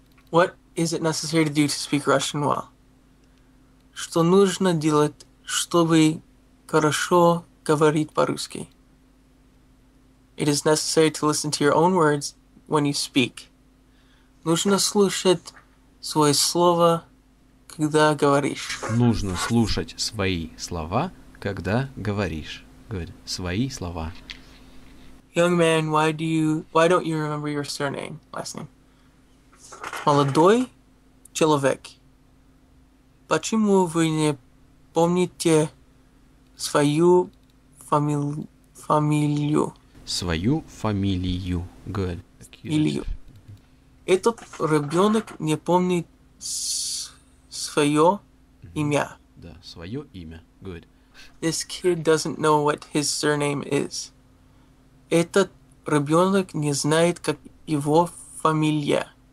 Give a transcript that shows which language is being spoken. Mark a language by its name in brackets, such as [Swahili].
[English] What is it necessary to do to speak Russian well? [Russian] Что нужно делать, чтобы хорошо говорить по-русски? [English] It is necessary to listen to your own words when you speak. [Russian] Нужно слушать свои слова. Когда говоришь. Нужно слушать свои слова, когда говоришь. [English] Good. [Russian] Свои слова. [English] Young man, why don't you remember your surname, last name? [Russian] Молодой человек. Почему вы не помните свою фамилию? Свою фамилию. [English] Good. [Russian] Фамилию. Этот ребенок не помнит свое имя. Да, свое имя. [English] Good. This kid doesn't know what his surname is. [Russian] Этот ребенок не знает, как его фамилия.